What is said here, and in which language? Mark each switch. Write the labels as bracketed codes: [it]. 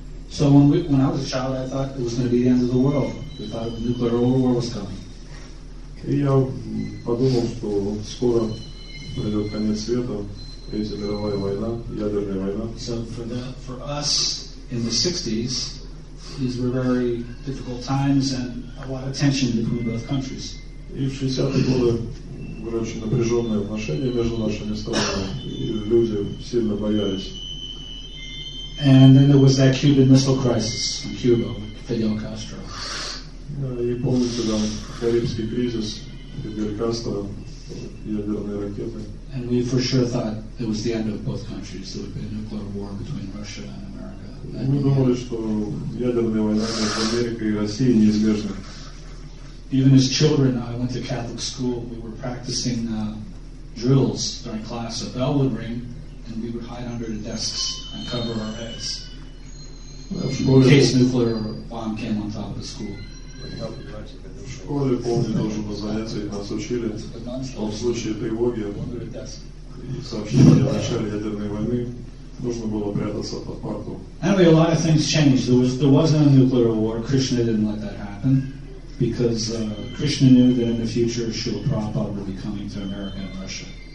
[en] So when I was a child, I thought it was going to be the end of the world. I thought the nuclear war was coming. [ru] И я подумал, что скоро придет конец света. Третья мировая война, ядерная война. [en] So for us in the 60s, these were very difficult times and a lot of tension between both countries. [ru] И в 60-е годы были очень напряженные отношения между нашими странами, и люди сильно боялись. [en] And then there was that Cuban Missile Crisis in Cuba with Fidel Castro. [ru] И помните, да, Карибский кризис, Фидель Кастро, ядерные ракеты. [en] And we for sure thought it was the end of both countries. There would be a nuclear war between Russia and America. [ru] Мы думали, что ядерная война между Америкой и Россией неизбежна. [en] Even as children, I went to Catholic school. We were practicing drills during class. A bell would ring, and we would hide under the desks and cover our heads in case nuclear bomb came on top of the school. [ru] В школе, помню, должен был заняться, их нас учили, что в случае тревоги и сообщения о начале ядерной войны нужно было прятаться под парту. [en] Anyway, a lot of things changed. There wasn't a nuclear war. Krishna didn't let that happen because Krishna knew that in the future Srila Prabhupada would be coming to America and Russia.